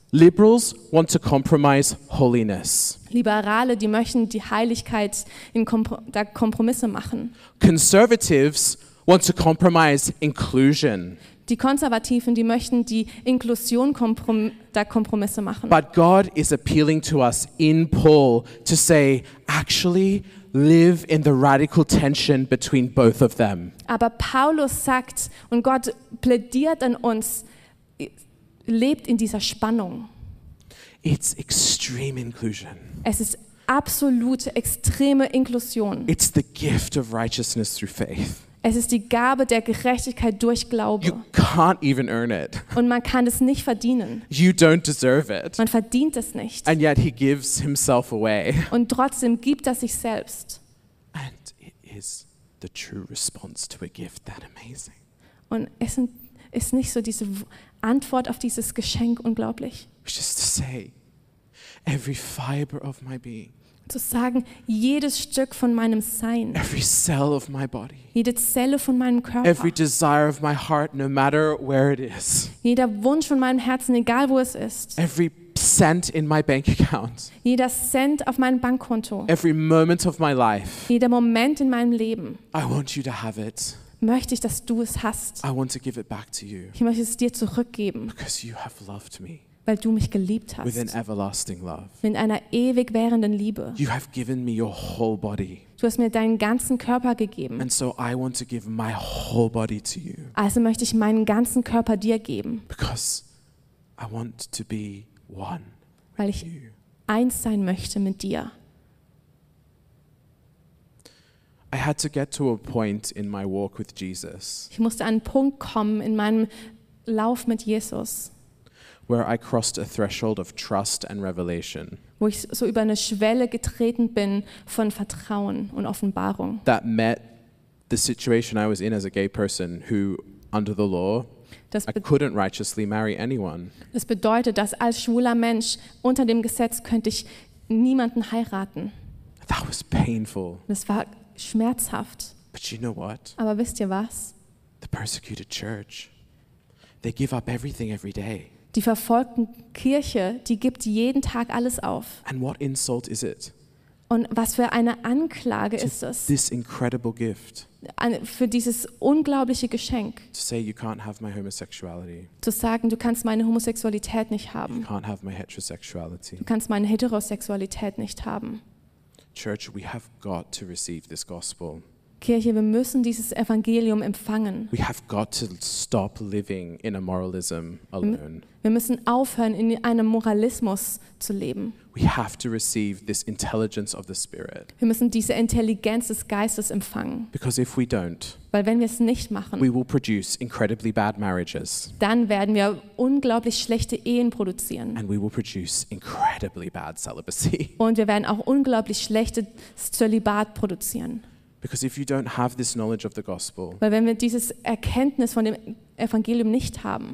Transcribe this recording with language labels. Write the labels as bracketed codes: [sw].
[en] Liberals want to compromise holiness. [de] Liberale, die möchten die Heiligkeit in Kompromisse machen. [en] Conservatives want to compromise inclusion. [de] Die Konservativen, die möchten die Inklusion Kompromisse machen. [en] But God is appealing to us in Paul to say, actually, live in the radical tension between both of them. [de] Aber Paulus sagt und Gott plädiert an uns, lebt in dieser Spannung. [en] It's extreme inclusion. [de] Es ist absolute, extreme Inklusion. [en] It's the gift of righteousness through faith. [de] Es ist die Gabe der Gerechtigkeit durch Glauben. [en] You can't even earn it. [de] Und man kann es nicht verdienen. [en] You don't deserve it. [de] Man verdient es nicht. [en] And yet he gives himself away. [de] Und trotzdem gibt er sich selbst. [en] And it is the true response to a gift that amazing. [de] Und es ist nicht so diese Antwort auf dieses Geschenk unglaublich. [en] Which is to say, every fiber of my being. [de] Zu sagen, jedes Stück von meinem Sein, [en] every cell of my body, [de] jede Zelle von meinem Körper, [en] every desire of my heart, no matter where it is, [de] jeder Wunsch von meinem Herzen, egal wo es ist, [en] every cent in my bank account, [de] jeder Cent auf meinem Bankkonto, [en] every moment of my life, [de] jeder Moment in meinem Leben, [en] I want you to have it, [de] möchte ich, dass du es hast. [en] I want to give it back to you, [de] ich möchte es dir zurückgeben, [en] because you have loved me, [de] weil du mich geliebt hast. [en] With an everlasting love. [de] Mit einer ewig währenden Liebe. [en] You have given me your whole body. [de] Du hast mir deinen ganzen Körper gegeben. [en] And so I want to give my whole body to you. [de] Also möchte ich meinen ganzen Körper dir geben. [en] Because I want to be one. [de] Weil ich eins sein möchte mit dir. [en] I had to get to a point in my walk with Jesus. [de] Ich musste an einen Punkt kommen in meinem Lauf mit Jesus. [en] Where I crossed a threshold of trust and revelation. [de] Wo ich so über eine Schwelle getreten bin von Vertrauen und Offenbarung. [en] That met the situation I was in as a gay person who under the law I couldn't righteously marry anyone. [de] Das bedeutet, dass als schwuler Mensch unter dem Gesetz könnte ich niemanden heiraten. [en] That was painful. [de] Das war schmerzhaft. [en] But you know what? [de] Aber wisst ihr was? [en] The persecuted church. They give up everything every day. [de] Die verfolgten Kirche, die gibt jeden Tag alles auf. [en] And what insult is it? [de] Und was für eine Anklage ist es? [en] This incredible gift. [de] Für dieses unglaubliche Geschenk. [en] To say you can't have my homosexuality. [de] Zu sagen, du kannst meine Homosexualität nicht haben. [en] You can't have my heterosexuality. [de] Du kannst meine Heterosexualität nicht haben. [en] Church, we have got to receive this gospel. [de] Kirche, wir müssen dieses Evangelium empfangen. [en] We have got to stop living in a moralism alone. [de] Wir müssen aufhören, in einem Moralismus zu leben. [en] We have to receive this intelligence of the Spirit. [de] Wir müssen diese Intelligenz des Geistes empfangen. [en] Because if we don't, [de] weil wenn wir es nicht machen, [en] we will produce incredibly bad marriages. [de] Dann werden wir unglaublich schlechte Ehen produzieren. [en] And we will produce incredibly bad celibacy. [de] Und wir werden auch unglaublich schlechtes Zölibat produzieren. [en] Because if you don't have this knowledge of the gospel, [de] weil wenn wir dieses Erkenntnis von dem Evangelium nicht haben,